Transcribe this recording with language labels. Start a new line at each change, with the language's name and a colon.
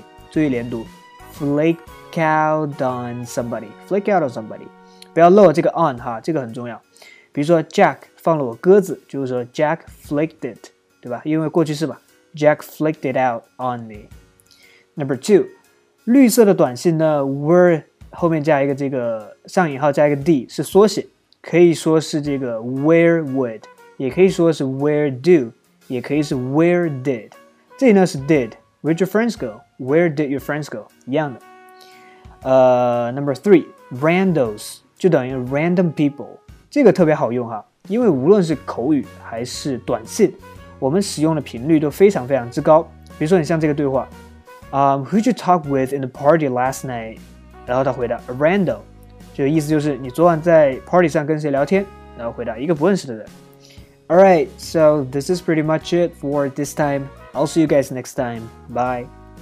English: 注意连读 flake out on somebody.
Chinese: 不要漏这个 on 哈，这个很重要。比如说 Jack 放了我鸽子，就是说 Jack flaked it, 对吧？
English: 因为过去式嘛， Jack flaked it out on me.
Chinese: Number two, 绿色的短信呢 were 后面加一个这个上引号加一个 d 是缩写，可以说是这个 where would, 也可以说是 where do, 也可以是 where did, 这里呢是 did, where'd your friends go, where did your friends go, 一样的。 Number three, randos, 就等于 random people, 这个特别好用哈，因为无论是口语还是短信，我们使用的频率都非常非常之高。比如说你像这个对话， who'd you talk with in the party last night, 然后他回答 a rando, 就意思就是你昨晚在 party 上跟谁聊天，然后回答一个不认识的人。
English: Alright, so this is pretty much it for this time. I'll see you guys next time. Bye.